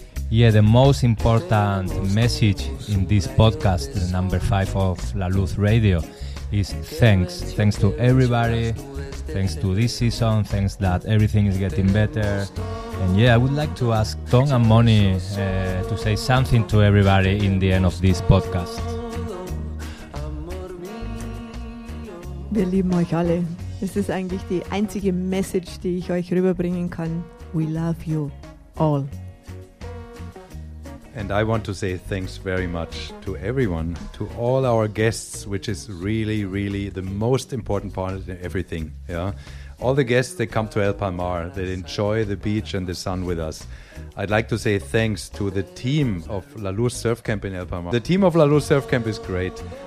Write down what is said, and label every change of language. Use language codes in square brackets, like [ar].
[en] Yeah, the most important message in this podcast, number 5 of La Luz Radio, is thanks. Thanks to everybody, thanks to this season, thanks that everything is getting better. And yeah, I would like to ask Tom and Moni to say something to everybody in the end of this podcast. [de] Wir lieben euch alle. Es ist eigentlich die einzige Message, die ich euch rüberbringen kann. [en] We love you all. And I want to say thanks very much to everyone, to all our guests, which is really, really the most important part of everything. Yeah, all the guests, they come to El Palmar, they enjoy the beach and the sun with us. I'd like to say thanks to the team of La Luz Surf Camp in El Palmar. The team of La Luz Surf Camp is great.